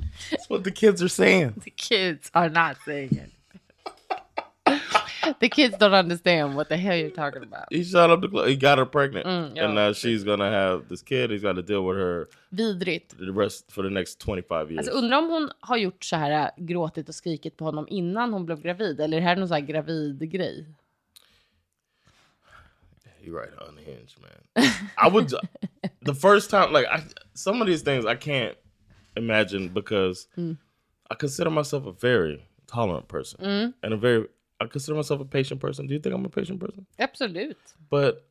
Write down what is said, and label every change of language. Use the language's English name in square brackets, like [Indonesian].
[English] That's what the kids are saying. The kids are not saying it. The kids don't understand what the hell you're talking about. He shot up the club. He got her pregnant. And now she's gonna have this kid. He's gotta deal with her. [Swedish] Vidrigt. [English] The rest for the next 25 years. [Swedish] Alltså, undrar om hon har gjort så här gråtit och skrikit på honom innan hon blev gravid. Eller är det här någon så här gravid grej? [English] You're right, unhinged, man. I would, the first time, like, I, some of these things I can't imagine because I consider myself a very tolerant person. And a very, I consider myself a patient person. Do you think I'm a patient person? [Swedish] Absolut. [English] But